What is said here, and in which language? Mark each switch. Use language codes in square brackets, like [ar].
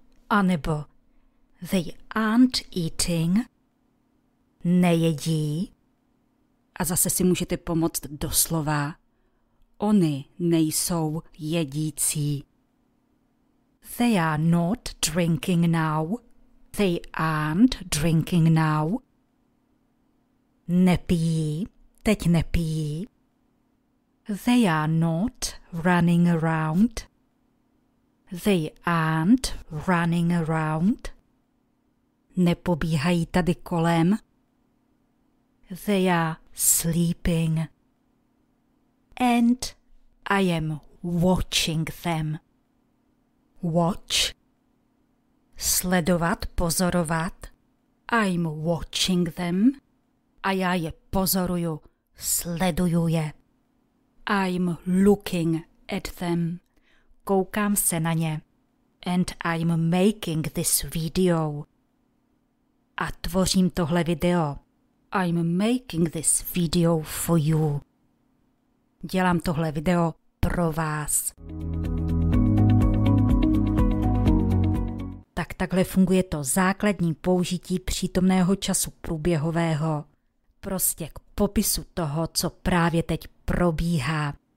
[cs] Anebo [en] they aren't eating. [cs] Nejedí. A zase si můžete pomoct doslova. Oni nejsou jedící. [en] They are not drinking now. They aren't drinking now. [cs] Nepijí, teď nepijí. [en] They are not running around. They aren't running around. [cs] Nepobíhají tady kolem. [en] They are sleeping. And I am watching them. Watch. [cs] Sledovat, pozorovat. [en] I'm watching them. [cs] A já je pozoruju, sleduju je. [en] I'm looking at them. [cs] Koukám se na ně. [en] And I'm making this video. [cs] A tvořím tohle video. [en] I'm making this video for you. [cs] Dělám tohle video pro vás. Tak takhle funguje to základní použití přítomného času průběhového. Prostě k popisu toho, co právě teď probíhá.